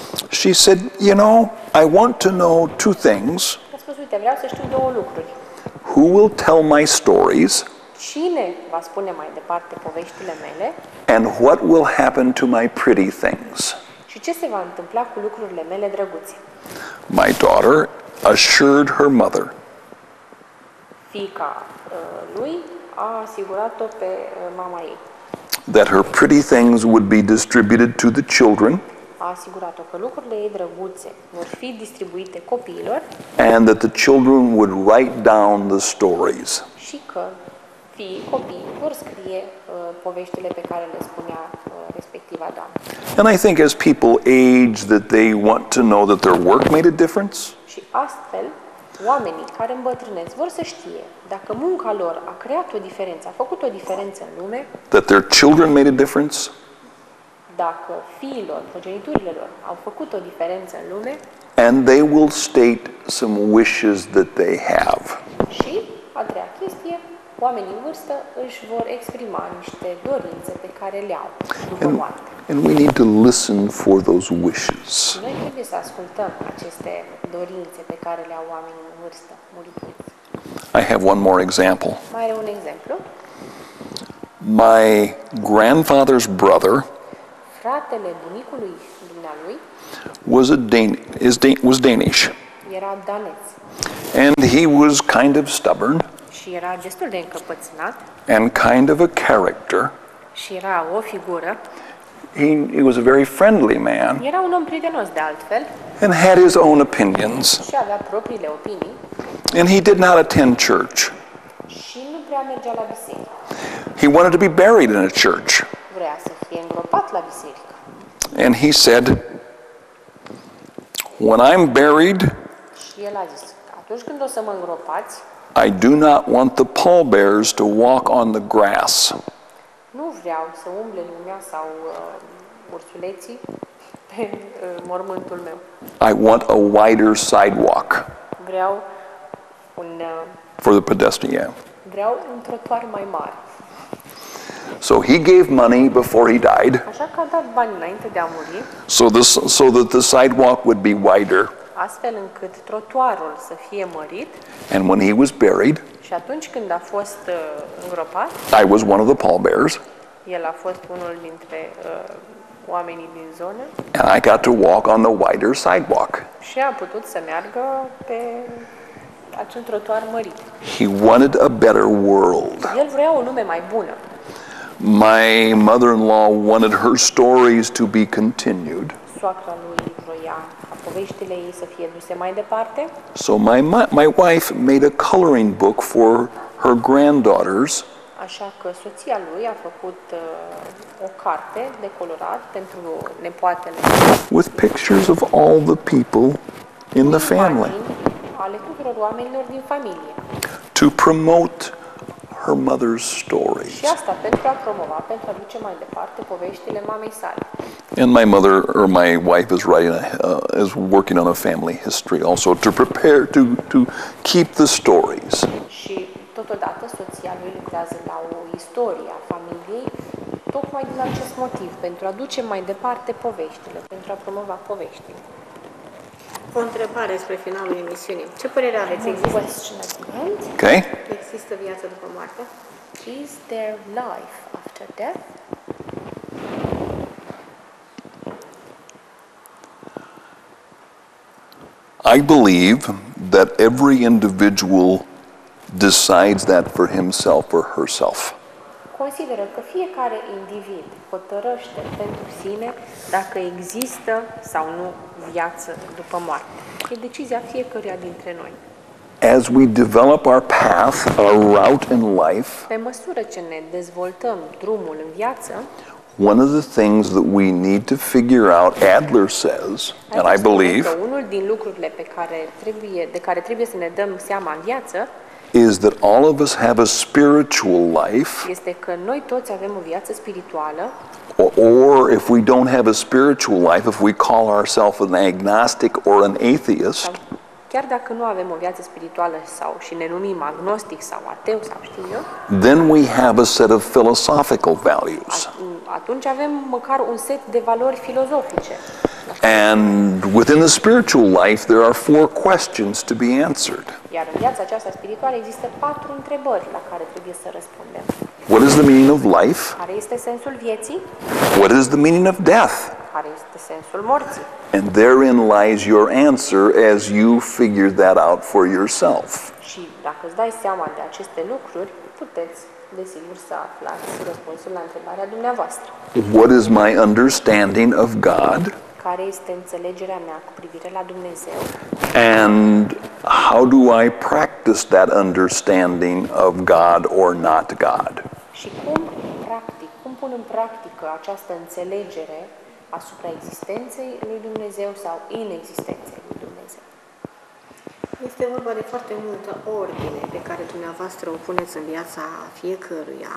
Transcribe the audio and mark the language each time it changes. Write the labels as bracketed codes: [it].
[en] She said, you know, I want to know two things. [ro] A spus, uite, vreau să știu două lucruri. [en] Who will tell my stories? [ro] Cine va spune mai departe poveștile mele? [en] And what will happen to my pretty things? [ro] Și ce se va întâmpla cu lucrurile mele drăguțe? [en] My daughter assured her mother. [ro] Fiica lui a asigurat-o pe mama ei. [en] That her pretty things would be distributed to the children. [ro] A asigurat-o că lucrurile ei drăguțe vor fi distribuite copiilor. [en] And that the children would write down the stories. [ro] Și că fiii, copiii vor scrie poveștile pe care le spunea respectiva doamnă. [en] And I think as people age that they want to know that their work made a difference. [ro] Și astfel, oamenii care îmbătrânesc vor să știe dacă munca lor a creat o diferență, a făcut o diferență în lume. [en] That their children made a difference. [ro] Dacă fiilor, progeniturile lor au făcut o diferență în lume. [en] And they will state some wishes that they have. [ro] Și a treia chestie, oamenii în vârstă își vor exprima niște dorințe pe care le au după moarte. [en] And we need to listen for those wishes. [ro] Noi trebuie să ascultăm aceste dorințe pe care le au oamenii în vârstă, muritori. [en] I have one more example. [ro] Mai are un exemplu. [en] My grandfather's brother, [ro] fratele bunicului dumnealui, [en] was Danish. [ro] Era danez. [en] And he was kind of stubborn. [ro] Și era destul de încăpățânat. [en] And kind of a character. [ro] Și era o figură. [en] He was a very friendly man. [ro] Era un om prietenos de altfel. [en] And had his own opinions. [ro] Și avea propriile opinii. [en] And he did not attend church. [ro] Și nu prea mergea la biserică. [en] He wanted to be buried in a church. [ro] Vrea să fie îngropat la biserică. [en] And he said, when I'm buried, [ro] și el a zis, atunci când o să mă îngropați, [en] I do not want the pallbearers to walk on the grass. [ro] Nu vreau să umble lumea sau ursuleții pe mormântul meu. [en] I want a wider sidewalk. [ro] Vreau un [en] for the pedestrian. [ro] Vreau un trotuar mai mare. [en] So he gave money before he died. [ro] Așa că a dat bani înainte de a muri. [en] So that the sidewalk would be wider. [ro] Astfel încât trotuarul să fie mărit. [en] And when he was buried, [ro] și atunci când a fost îngropat, [en] I was one of the pallbearers. [ro] El a fost unul dintre oamenii din zonă. [en] And I got to walk on the wider sidewalk. [ro] Și a putut să meargă pe acel trotuar mărit. [en] He wanted a better world. [ro] El vrea o lume mai bună. [en] My mother-in-law wanted her stories to be continued. [ro] Soacra lui vroia ca poveștile ei să fie duse mai departe. [en] So my wife made a coloring book for her granddaughters. [ro] Așa că soția lui a făcut o carte de colorat pentru nepoatele. [en] With pictures of all the people in the family. [ro] Ale tuturor oamenilor din familie. [en] To promote her mother's stories. [ro] Și asta pentru a promova, pentru a duce mai departe poveștile mamei sale. [en] And my mother or my wife is writing is working on a family history also to prepare to keep the stories. [ro] Și totodată soția lui lucrează la o istorie a familiei tocmai din acest motiv, pentru a duce mai departe poveștile, pentru a promova poveștile. O întrebare spre finalul emisiunii. Ce părere aveți? Există? [en] Okay. [ro] Există viață după moarte? [en] Is there life after death? I believe that every individual decides that for himself or herself. [ro] Consideră că fiecare individ hotărăște pentru sine dacă există sau nu viață după moarte. E decizia fiecăruia dintre noi. [en] As we develop our path, our route in life, [ro] pe măsură ce ne dezvoltăm drumul în viață, [en] one of the things that we need to figure out, Adler says, and I believe, [ro] unul din lucrurile pe care trebuie, de care trebuie să ne dăm seama în viață, [en] is that all of us have a spiritual life. [ro] Este că noi toți avem o viață spirituală. [en] Or if we don't have a spiritual life, if we call ourselves an agnostic or an atheist, [ro] chiar dacă nu avem o viață spirituală sau și ne numim agnostic sau ateu sau știu eu, [en] then we have a set of philosophical values. [ro] Atunci avem măcar un set de valori filozofice. [en] And within the spiritual life there are four questions to be answered. [ro] Iar în viața aceasta spirituală există patru întrebări la care trebuie să răspundem. [en] What is the meaning of life? [ro] Care este sensul vieții? [en] What is the meaning of death? [ro] Care este sensul morții? [en] And therein lies your answer as you figure that out for yourself. [ro] Și dacă îți dai seama de aceste lucruri, puteți desigur să aflați răspunsul la întrebarea dumneavoastră. [en] What is my understanding of God? [ro] Care este înțelegerea mea cu privire la Dumnezeu? [en] And how do I practice that understanding of God or not God? [ro] Și cum practic, cum pun în practică această înțelegere asupra existenței lui Dumnezeu sau inexistenței lui Dumnezeu? Este vorba de foarte multă ordine pe care dumneavoastră o puneți în viața fiecăruia.